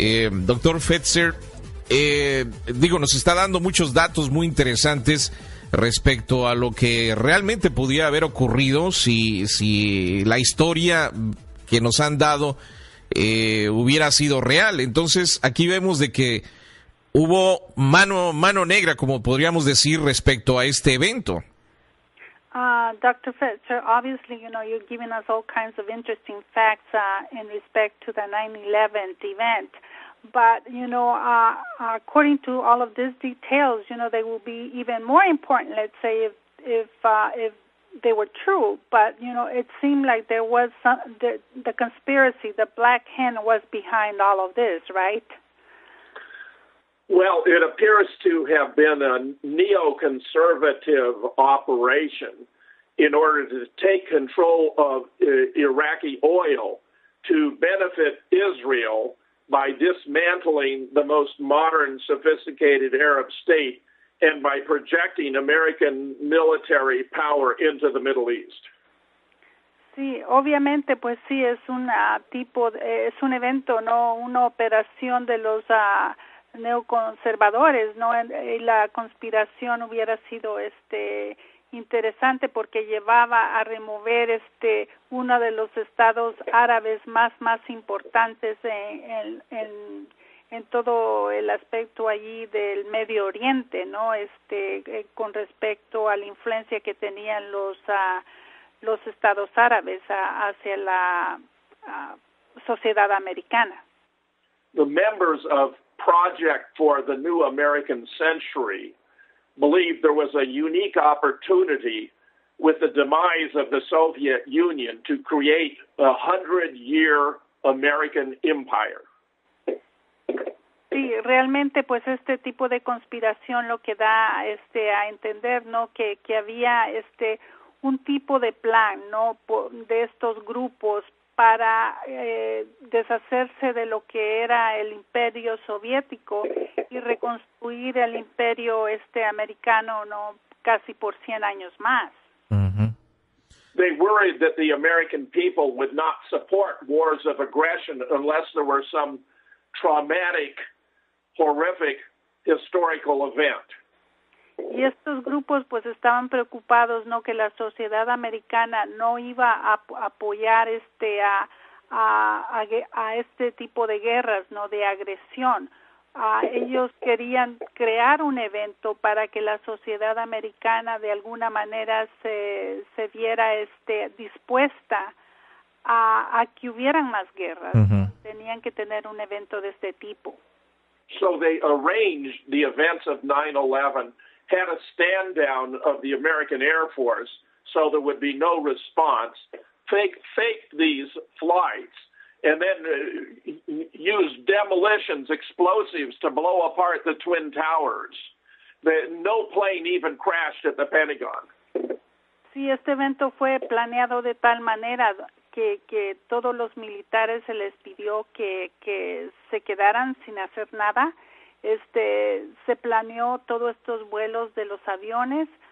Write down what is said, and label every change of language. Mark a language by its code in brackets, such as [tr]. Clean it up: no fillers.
[es] Doctor Fetzer, nos está dando muchos datos muy interesantes respecto a lo que realmente podía haber ocurrido si la historia que nos han dado hubiera sido real. Entonces, aquí vemos de que hubo mano negra, como podríamos decir, respecto a este evento. [en] Dr. Fetzer, obviously, you know, you've given us all kinds of interesting facts in respect to the 9/11 event. But, you know, according to all of these details, you know, they will be even more important, let's say, if they were true. But, you know, it seemed like there was the conspiracy, the black hen was behind all of this, right? Well, it appears to have been a neoconservative operation in order to take control of Iraqi oil to benefit Israel by dismantling the most modern, sophisticated Arab state and by projecting American military power into the Middle East. [es] Sí, obviamente, pues sí, es un tipo, es un evento, ¿no? Una operación de los neoconservadores, ¿no? Y la conspiración hubiera sido interesante porque llevaba a remover uno de los estados árabes más importantes en todo el aspecto allí del Medio Oriente, ¿no? Con respecto a la influencia que tenían los estados árabes hacia la sociedad americana. [en] The members of Project for the New American Century believed there was a unique opportunity with the demise of the Soviet Union to create a 100-year American empire. [es] Sí, realmente, pues este tipo de conspiración lo que da a entender, ¿no? Que había un tipo de plan, ¿no? De estos grupos para deshacerse de lo que era el imperio soviético y reconstruir el imperio americano, ¿no? Casi por 100 años más. [en] They worried that the American people would not support wars of aggression unless there were some traumatic, horrific historical event. [es] Y estos grupos pues estaban preocupados, ¿no? Que la sociedad americana no iba a apoyar a este tipo de guerras, ¿no? De agresión. Ellos querían crear un evento para que la sociedad americana de alguna manera se viera dispuesta a que hubieran más guerras. Uh-huh. Tenían que tener un evento de este tipo. [en] So they arranged the events of 9/11, had a stand down of the American Air Force so there would be no response, fake these flights, and then use demolitions, explosives to blow apart the Twin Towers. No plane even crashed at the Pentagon. [es] Sí, este evento fue planeado de tal manera que todos los militares se les pidió que se quedaran sin hacer nada. Se planeó todos estos vuelos de los aviones.